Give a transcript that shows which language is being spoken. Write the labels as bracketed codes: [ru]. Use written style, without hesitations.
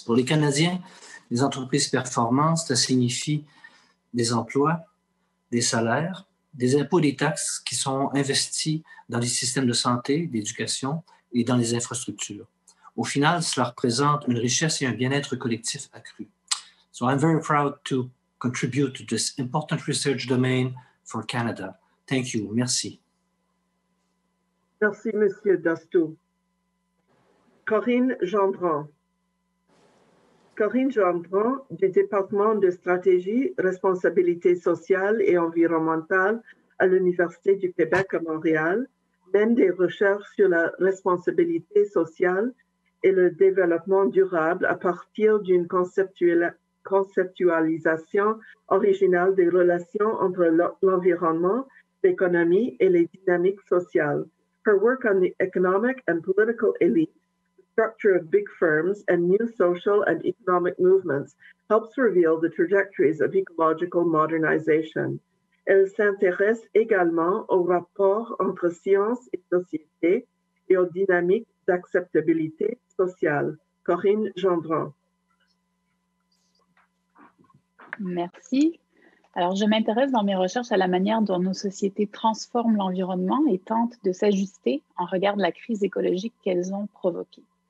[fr] Pour les Canadiens, les entreprises performantes, ça signifie des emplois, des salaires, des impôts et des taxes qui sont investis dans les systèmes de santé, d'éducation et dans les infrastructures. Au final, cela représente une richesse et un bien-être collectif accru. [en] So I'm very proud to contribute to this important research domain for Canada. Thank you. [fr] Merci. Merci, Monsieur Dastou. Corinne Gendron. Corinne Gendron, du département de stratégie, responsabilité sociale et environnementale à l'Université du Québec à Montréal, mène des recherches sur la responsabilité sociale et le développement durable à partir d'une conceptualisation originale des relations entre l'environnement, l'économie et les dynamiques sociales. [en] Her work on the economic and political elite, the structure of big firms and new social and economic movements helps reveal the trajectories of ecological modernization. [fr] Elle s'intéresse également au rapport entre science et société et aux dynamiques d'acceptabilité sociale. Corinne Gendron. Merci. Alors, je m'intéresse dans mes recherches à la manière dont nos sociétés transforment l'environnement et tentent de s'ajuster en regard de la crise écologique qu'elles ont provoquée.